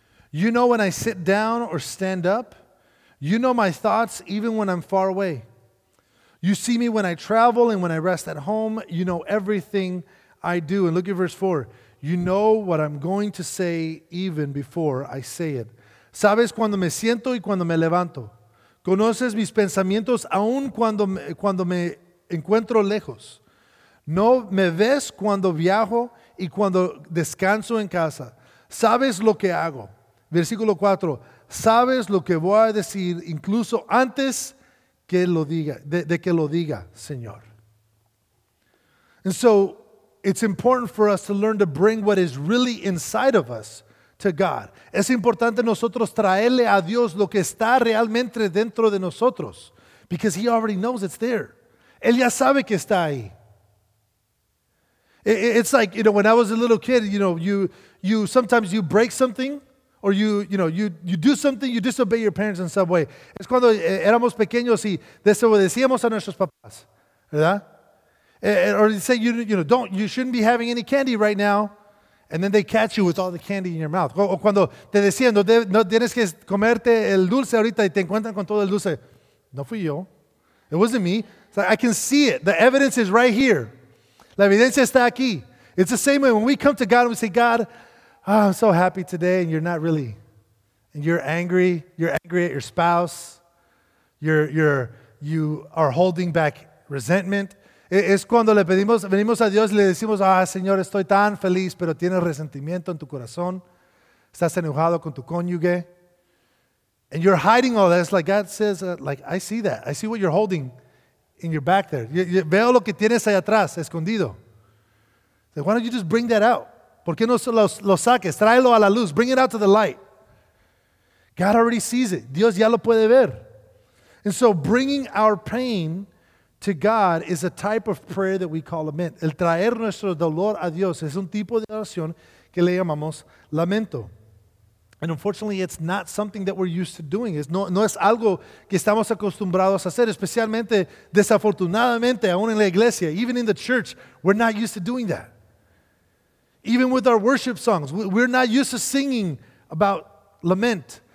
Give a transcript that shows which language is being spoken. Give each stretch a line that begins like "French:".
English: You know when I sit down or stand up. You know my thoughts even when I'm far away. You see me when I travel and when I rest at home. You know everything I do." And look at verse 4. "You know what I'm going to say even before I say it.
Spanish: Sabes cuando me siento y cuando me levanto. Conoces mis pensamientos aun cuando me encuentro lejos. No me ves cuando viajo y cuando descanso en casa. Sabes lo que hago." Versículo 4, "sabes lo que voy a decir incluso antes que lo diga, de que lo diga, Señor."
English: And so, it's important for us to learn to bring what is really inside of us to God.
Spanish: Es importante nosotros traerle a Dios lo que está realmente dentro de nosotros.
English: Because he already knows it's there.
Spanish: Él ya sabe que está ahí.
English: It's like, you know, when I was a little kid, you know, you sometimes you break something. Or you do something, you disobey your parents in some way.
Spanish: Es cuando éramos pequeños y desobedecíamos a nuestros papás, ¿verdad?
English: Or they say you shouldn't be having any candy right now, and then they catch you with all the candy in your mouth.
Spanish: O cuando te decían no tienes que comerte el dulce ahorita y te encuentran con todo el dulce. No fui yo.
English: It wasn't me. So I can see it. The evidence is right here.
Spanish: La evidencia está aquí.
English: It's the same way when we come to God and we say, "God, oh, I'm so happy today," and you're not really. And you're angry. You're angry at your spouse. You are holding back resentment.
Spanish: Es cuando le pedimos, venimos a Dios y le decimos, "Ah, Señor, estoy tan feliz, pero tienes resentimiento en tu corazón. Estás enojado con tu cónyuge."
English: And you're hiding all that. It's like God says, I see that. I see what you're holding in your back there.
Spanish: Yo veo lo que tienes allá atrás, escondido.
English: So why don't you just bring that out?
Spanish: ¿Por qué no lo saques? Tráelo a la luz.
English: Bring it out to the light. God already sees it.
Spanish: Dios ya lo puede ver.
English: And so bringing our pain to God is a type of prayer that we call lament.
Spanish: El traer nuestro dolor a Dios es un tipo de oración que le llamamos lamento.
English: And unfortunately, it's not something that we're used to doing.
Spanish: No es algo que estamos acostumbrados a hacer, especialmente, desafortunadamente, aún en la iglesia,
English: even in the church, we're not used to doing that. Even with our worship songs, we're not used to singing about lament.